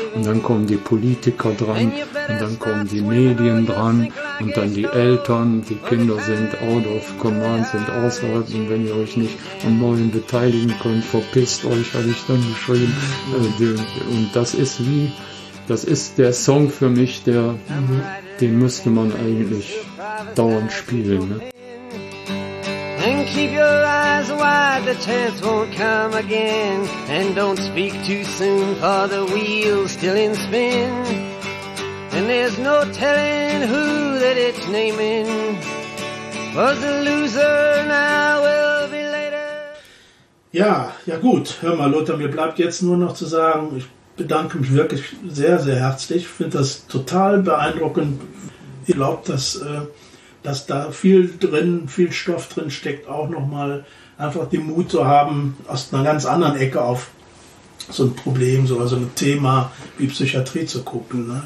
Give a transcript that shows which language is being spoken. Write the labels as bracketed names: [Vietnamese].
[German] Und dann kommen die Politiker dran, und dann kommen die Medien dran, und dann die Eltern, die Kinder sind [English] out of command, [German] sind außerhalb, und wenn ihr euch nicht am Neuen beteiligen könnt, verpisst euch, habe ich dann geschrieben. Und das ist wie, das ist der Song für mich, der, den müsste man eigentlich dauernd spielen. Ne? [English] And keep your eyes wide, the chance won't come again. And don't speak too soon, for the wheel's still in spin. And there's no telling who that it's naming. For the loser now will be later. [German] Ja, ja gut. Hör mal, Lothar, mir bleibt jetzt nur noch zu sagen, ich bedanke mich wirklich sehr, sehr herzlich. Ich finde das total beeindruckend. Ich glaube, dass da viel drin, viel Stoff drin steckt, auch nochmal einfach den Mut zu haben, aus einer ganz anderen Ecke auf so ein Problem, so also ein Thema wie Psychiatrie zu gucken. Ne?